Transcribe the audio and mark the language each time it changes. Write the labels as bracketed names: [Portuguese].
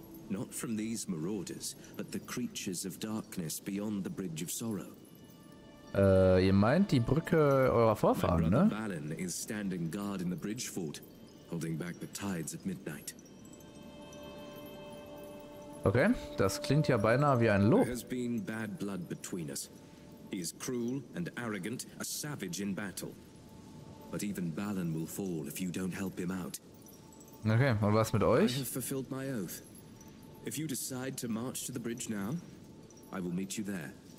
[English] Not from these marauders, but the creatures of darkness beyond the Bridge of Sorrow. [German] Ihr meint die Brücke eurer Vorfahren, ne? [English] Balin is standing guard in the bridge fort, holding back the tides at midnight. [German] Okay, das klingt ja beinahe wie ein Lob. [English] There has been bad blood between us. He is cruel and arrogant, a savage in battle. But even Balin will fall if you don't help him out. [German] Okay, und was mit euch? [English] I have fulfilled my oath. If you decide to march to the bridge now, I will meet you there.